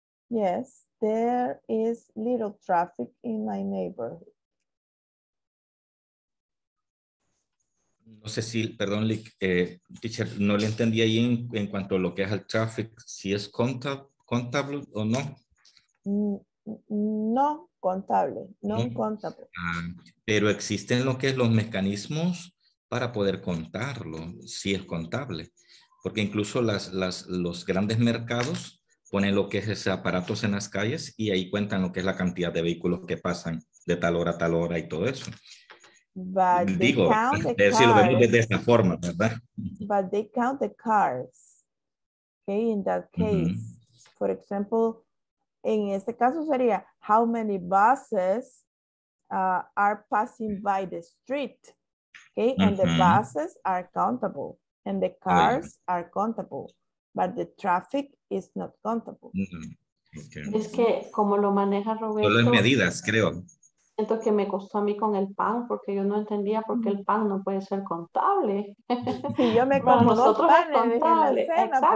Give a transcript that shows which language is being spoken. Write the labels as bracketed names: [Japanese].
[English] Yes, there is little traffic in my neighborhood. [Spanish] No sé si, perdón, teacher, no le entendí ahí en cuanto a lo que es el traffic, si es contable o no. No. Contable, no contable. Ah, pero existen lo que es los mecanismos para poder contarlo, si es contable. Porque incluso los grandes mercados ponen lo que es esos aparatos en las calles y ahí cuentan lo que es la cantidad de vehículos que pasan de tal hora y todo eso. [English] But [Spanish] digo, [English] they count the cars. [Spanish] Si lo vemos de esa forma, ¿verdad? [English] But they count the cars. Okay, in that case, uh-huh. For example, [Spanish] en este caso sería, [English] how many buses are passing by the street? Okay, mm-hmm. And the buses are countable and the cars are countable, but the traffic is not countable. Mm-hmm. [Spanish] Okay. Es que como lo maneja Roberto. Solo en medidas, creo. Siento que me costó a mí con el pan porque yo no entendía por qué el pan no puede ser contable. Si yo me como nosotros dos panes en la cena, exacto.